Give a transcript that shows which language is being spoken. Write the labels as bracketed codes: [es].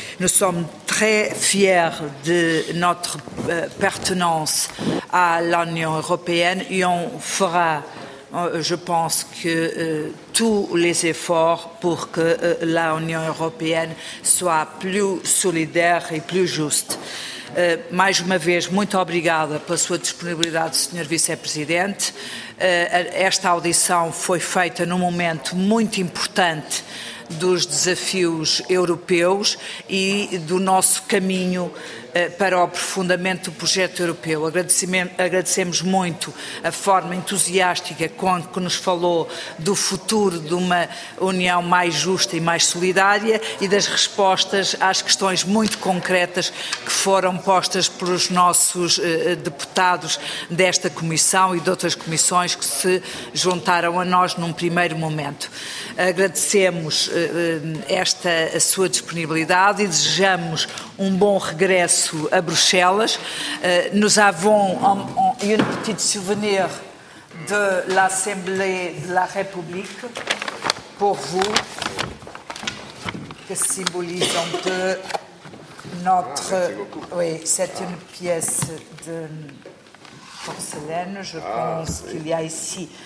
[fr] Nous sommes très fiers de notre pertinence à l'Union européenne et on fera, je pense, que tous les efforts pour que l'Union européenne soit plus solidaire et plus juste. Mais une fois, [pt] muito obrigada pela sua disponibilidade, Sr. Vice-Presidente. Esta audição foi feita num momento muito importante dos desafios europeus e do nosso caminho para o aprofundamento do projeto europeu. Agradecemos muito a forma entusiástica com que nos falou do futuro de uma União mais justa e mais solidária e das respostas às questões muito concretas que foram postas pelos nossos deputados desta Comissão e de outras comissões que se juntaram a nós num primeiro momento. Agradecemos esta a sua disponibilidade e desejamos um bom regresso à Bruxelles. [fr] Nous avons un petit souvenir de l'Assemblée de la République. Porvoo, que symbolise un peu notre... Oui, c'est une pièce de porcelaine, je pense qu'il y a ici.